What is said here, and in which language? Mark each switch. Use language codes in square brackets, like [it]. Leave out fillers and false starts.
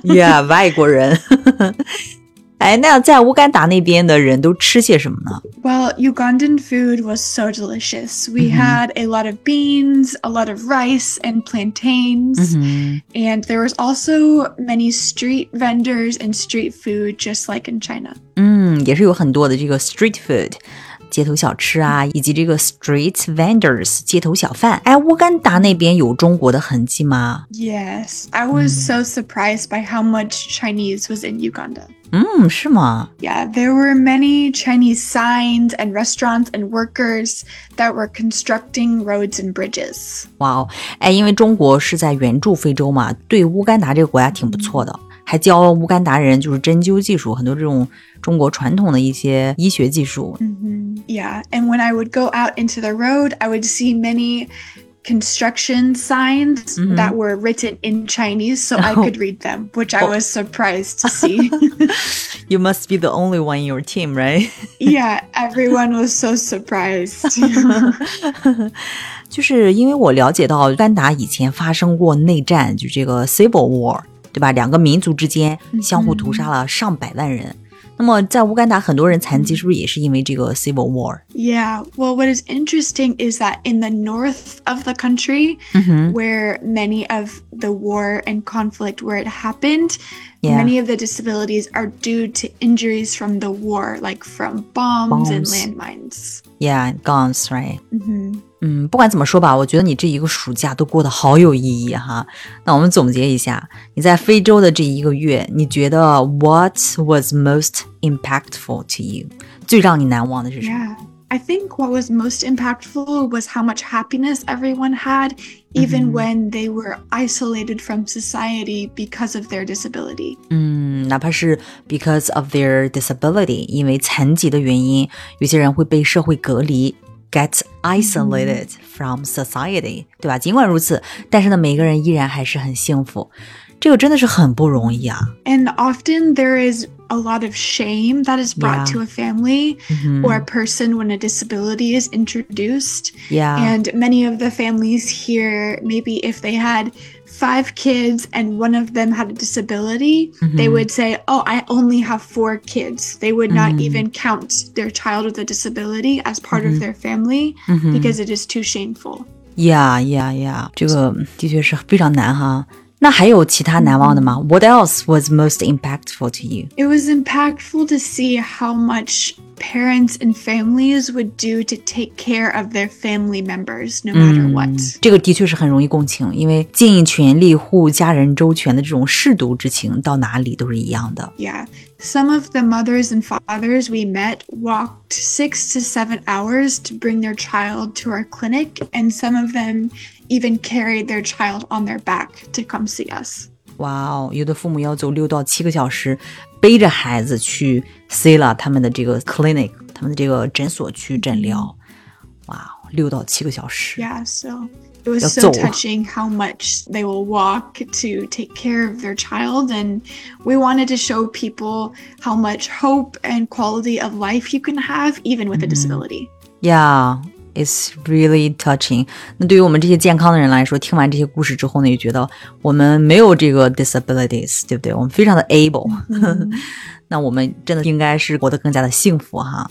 [zh] Yeah, 外国人。哎，那在乌干达那边的人都吃些什么呢？ [en] Well, Ugandan food was so delicious. We had a lot of beans, a lot of rice and plantains. And there was also many street vendors and street food just like in China. [zh] 也是有很多的这个 [en] street food, [zh] 街头小吃啊，以及这个 [en] street vendors, [zh] 街头小贩。哎，乌干达那边有中国的痕迹吗？ [en] Yes, I was so surprised by how much Chinese was in Uganda. [zh] 是吗？ [en] Yeah, there were many Chinese signs and restaurants and workers that were constructing roads and bridges. [zh] Wow, 哎，因为中国是在援助非洲嘛，对乌干达这个国家挺不错的，还教乌干达人就是针灸技术，很多这种中国传统的一些医学技术。 [en] Yeah, and when I would go out into the road, I would see many construction signs that were written in Chinese so I could read them, which I was surprised to see. You must be the only one in your team, right? Yeah, everyone was so surprised. [zh] 就是因为我了解到甘达以前发生过内战，就这个 Civil War, 对吧？两个民族之间相互屠杀了上百万人。那么在乌干达很多人残疾是不是也是因为这个 civil war? [en] Yeah, well, what is interesting is that in the north of the country, where many of the war and conflict where it happened, many of the disabilities are due to injuries from the war, like from bombs and landmines. Yeah, guns, right? [zh] 不管怎么说吧，我觉得你这一个暑假都过得好有意义哈。那我们总结一下，你在非洲的这一个月，你觉得 [en] what was most impactful to you? [zh] 最让你难忘的是什么？ [en] Yeah, I think what was most impactful was how much happiness everyone had, even when they were isolated from society because of their disability. [zh] 哪怕是 [en] because of their disability, [zh] 因为残疾的原因，有些人会被社会隔离。 [en] Get isolated from society, [zh] 对吧？尽管如此，但是呢，每个人依然还是很幸福，这个真的是很不容易啊。 [en] And often there is a lot of shame that is brought to a family or a person when a disability is introduced. Yeah. And many of the families here, maybe if they had 5 kids and one of them had a disability, they would say, oh, I only have 4 kids. They would not even count their child with a disability as part of their family because it is too shameful. [zh] Yeah, yeah, yeah. 这个的确是非常难哈。那还有其他难忘的吗？ [en] What else was most impactful to you? It was impactful to see how much parents and families would do to take care of their family members, no matter what. [zh] 这个的确是很容易共情，因为尽全力护家人周全的这种舐犊之情，到哪里都是一样的。 [en] Yeah, some of the mothers and fathers we met walked 6 to 7 hours to bring their child to our clinic, and some of them even carried their child on their back to come see us. [zh] Wow, 有的父母要走6到7个小时背着孩子去 Sila 他们的这个 clinic, 他们的这个诊所去诊疗。 Wow, 6到7个小时。 [en] Yeah, so it was so touching how much they will walk to take care of their child. And we wanted to show people how much hope and quality of life you can have even with a disability. Yeah. It's really touching. [zh] 那对于我们这些健康的人来说，听完这些故事之后呢，也觉得我们没有这个 disabilities, 对不对？我们非常的 able. 那我们真的应该是活得更加的幸福哈。